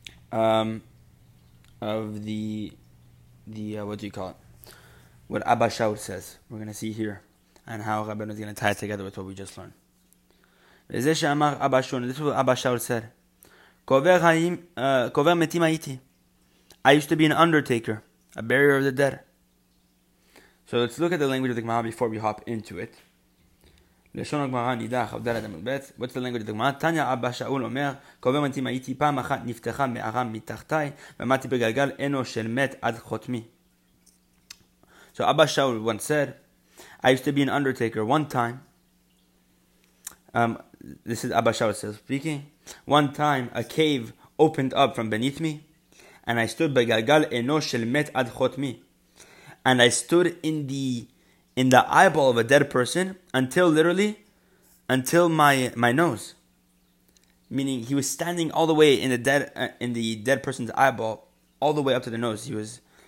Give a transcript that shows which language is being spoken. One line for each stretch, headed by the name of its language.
English: Of what Abba Shaul says, we're going to see here, and how Rabbeinu is going to tie it together with what we just learned. This is what Abba Shaul said.
Hebrew: Kover metim hayiti.
English: I used to be an undertaker, a burier of the dead. So let's look at the language of the Gemara before we hop into it.
Hebrew: לשון הגמרא נידה חבדל אדם בית,
English: what's the language of the Gemara?
Hebrew: תניה אבא שאול אומר, קובר מתים הייתי פעם אחת נפתחה מערה מתחתי, ועמדתי בגלגל אנו של מת עד חותמי.
English: So אבא שאול once said, I used to be an undertaker one time. This is אבא שאול still speaking. One time a cave opened up from beneath me, and I stood
Hebrew: בגלגל אנו של מת עד חותמי.
English: And I stood in the eyeball of a dead person, until my nose. Meaning, he was standing all the way in the dead person's eyeball, all the way up to the nose.